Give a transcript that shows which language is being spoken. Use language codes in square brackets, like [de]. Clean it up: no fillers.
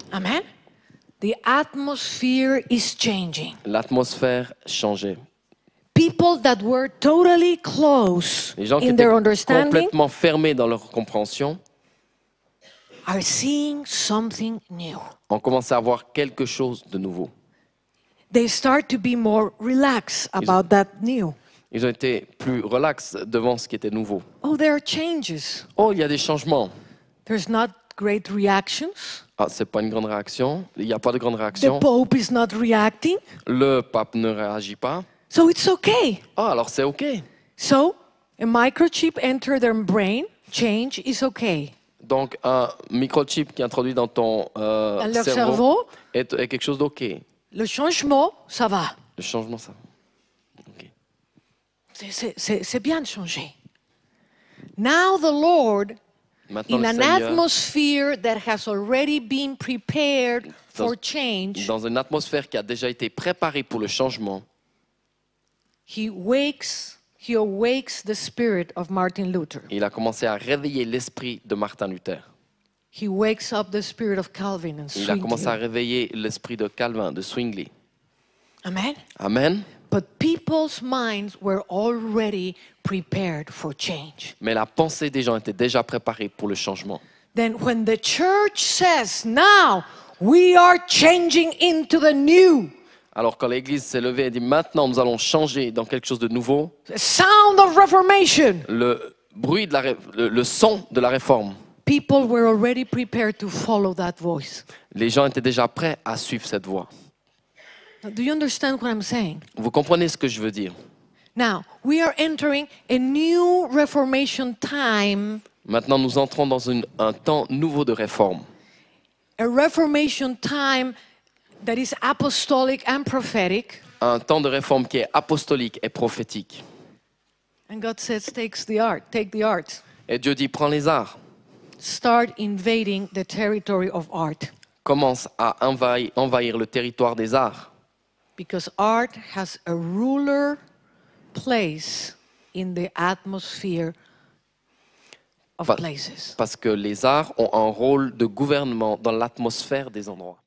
[en] Amen. The atmosphere is changing. [fr] L'atmosphère changeait. [en] People that were totally close [fr] les gens qui [en] in their understanding [fr] complètement fermés dans leur compréhension [en] are seeing something new. [fr] On commençait à voir quelque chose de nouveau. [en] They start to be more relaxed about that new. [fr] Ils ont été plus relax devant ce qui était nouveau. [en] Oh, there are changes. [fr] Oh, il y a des changements. [en] There's not great reactions. [fr] C'est pas une grande réaction. Il y a pas de grande réaction. [en] The Pope is not reacting. [fr] Le pape ne réagit pas. [en] So it's okay. [fr] Ah, alors c'est okay. [en] So a microchip enter their brain, change is okay. [fr] Donc un microchip qui est introduit dans ton cerveau est quelque chose d'okay. Le changement, ça va. Le changement, ça va. Okay. C'est bien de changer. [en] Now the Lord, [fr] maintenant, [en] in an [fr] Seigneur, [en] atmosphere that has already been prepared for change, [fr] dans une atmosphère qui a déjà été préparée pour le changement, [en] He awakes the spirit of Martin Luther. [fr] Il a commencé à réveiller l'esprit de Martin Luther. [en] He wakes up the spirit of Calvin and Zwingli. [fr] Il a commencé à réveiller l'esprit de Calvin, de Zwingli. [en] Amen. [fr] Amen. [en] But people's minds were already prepared for change. [fr] Mais la pensée des gens était déjà préparée pour le changement. [en] Then when the church says, "Now we are changing into the new." [fr] Alors quand l'Église s'est levée et dit « Maintenant, nous allons changer dans quelque chose de nouveau. » [en] Sound of reformation. [fr] Le bruit de le son de la réforme. [en] People were already prepared to follow that voice. [fr] Les gens étaient déjà prêts à suivre cette voie. [en] Do you understand what I'm saying? [fr] Vous comprenez ce que je veux dire? [en] Now, we are entering a new reformation time. [fr] Maintenant, nous entrons dans un temps nouveau de réforme. [en] A reformation time that is apostolic and prophetic. [fr] Un temps de réforme qui est apostolique et prophétique. [en] And God says, take the art. [fr] Et Dieu dit, prends les arts. [en] Start invading the territory of art. [fr] Commence à envahir le territoire des arts. [en] Because art has a ruler place in the atmosphere of places. [fr] Parce que les arts ont un rôle de gouvernement dans l'atmosphère des endroits.